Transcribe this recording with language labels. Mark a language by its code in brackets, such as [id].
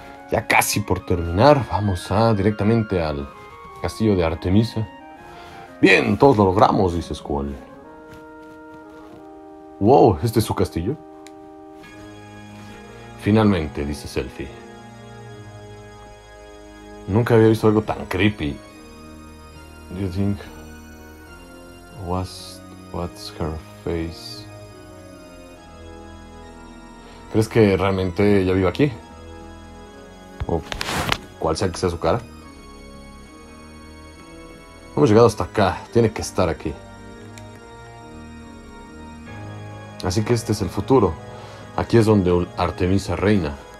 [es] Ya casi por terminar, vamos a directamente al castillo de Artemisa. Bien, todos lo logramos, dice Squall. Wow, ¿este es su castillo? Finalmente, dice Selphie. Nunca había visto algo tan creepy. [en] Do you think what's her face? [es] ¿Crees que realmente ella vive aquí? O cual sea que sea su cara. Hemos llegado hasta acá. Tiene que estar aquí. Así que este es el futuro. Aquí es donde Artemisa reina.